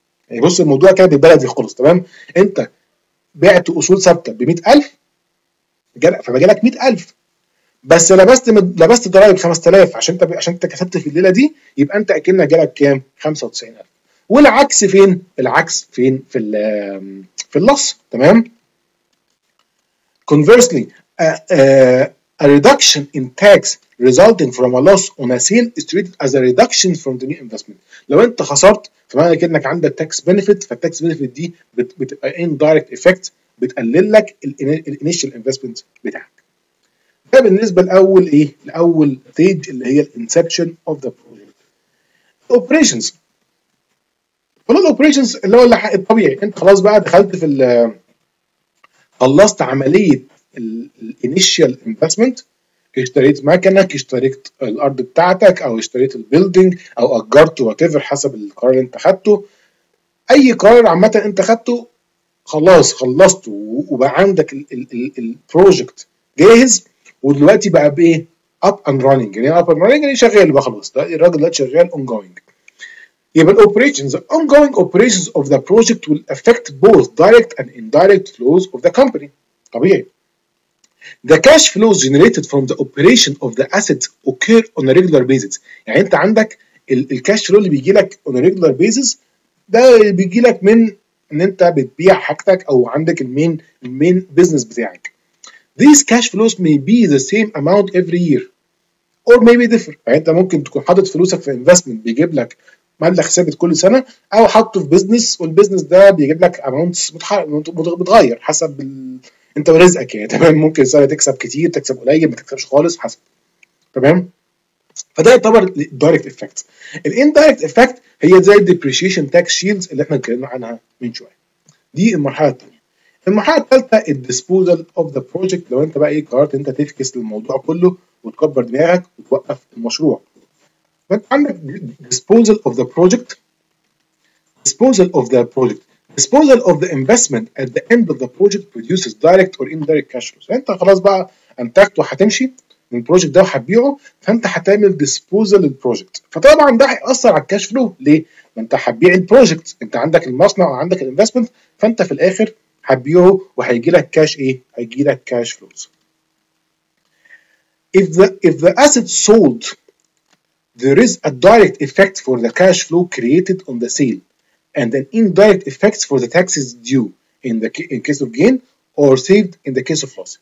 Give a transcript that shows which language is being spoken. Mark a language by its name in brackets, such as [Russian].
[Arabic] يعني بص الموضوع كده بالبلدي خالص, تمام, انت بعت اصول ثابته ب 100,000 فبجالك 100,000 بس لبست ضرائب 5,000 عشان انت كسبت في الليله دي, يبقى انت اكنك جالك كام 95,000. والعكس فين؟ العكس فين؟ في اللص, تمام. [English] conversely a reduction in tax resulting from a loss on a sale is treated as a reduction from the new investment. [Arabic] لو انت خسرت فمعنى كده انك عندك tax benefit, فالtax benefit دي بتبقى indirect effect بتقلل لك الـ initial investment بتاعك. ده بالنسبه لاول ايه؟ لاول stage اللي هي الانسبشن اوف ذا بروجكت. operations فلوس operations اللي هو الحق الطبيعي, انت خلاص بقى دخلت في خلصت عمليه الـ initial investment, اشتريت مكنك, اشتريت الارض بتاعتك, او اشتريت البيلدينج, او اجرته, whatever حسب القرار اللي انت خدته. اي قرار عامه انت خدته خلاص خلصته وبقى عندك البروجكت جاهز, ودلوقتي بقى بايه up and running, يعني up and running يعني شغال بقى خلاص, الراجل دلوقتي شغال ongoing. [English] يبقى الاوبريشنز, ongoing operations of the project will affect both direct and indirect flows of the company. [Arabic] طبيعي. [English] The cash flows generated from the operation of the assets occur on a regular basis. [Arabic] يعني انت عندك الكاش فلو اللي بيجي لك on a regular basis ده بيجي لك من ان انت بتبيع حاجتك او عندك المين بزنس بتاعك. [English] These cash flows may be the same amount every year or maybe differ. [Arabic] يعني انت ممكن تكون حاطط فلوسك في investment بيجيب لك مبلغ ثابت كل سنه, او حاطه في بزنس والبزنس ده بيجيب لك amounts بتغير حسب انت ورزقك, يعني تمام, ممكن سنه تكسب كتير تكسب قليل ما تكسبش خالص حسب, تمام. فده يعتبر الدايركت افكت. الاندايركت افكت هي زي الديبريشيشن تاكس شيلدز اللي احنا اتكلمنا عنها من شويه. دي المرحله الثانيه. المرحله الثالثه الديسبوزل اوف ذا بروجكت. لو انت بقى ايه قررت انت تفكس الموضوع كله وتكبر دماغك وتوقف المشروع, فانت عندك disposal of the project. Disposal of the investment at the end of the project produces direct or indirect cash flows. انت خلاص بقى انتجت وهتمشي من البروجكت ده وهتبيعه, فانت هتعمل disposal البروجكت, فطبعا ده هيأثر على الكاش فلو. ليه؟ ما انت هتبيع البروجكت, انت عندك المصنع وعندك الانفستمنت, فانت في الاخر هتبيعه وهيجي لك كاش ايه؟ هيجي لك كاش فلوز. [English] If the asset sold, there is a direct effect for the cash flow created on the sale and an indirect effect for the taxes due in case of gain or saved in the case of loss.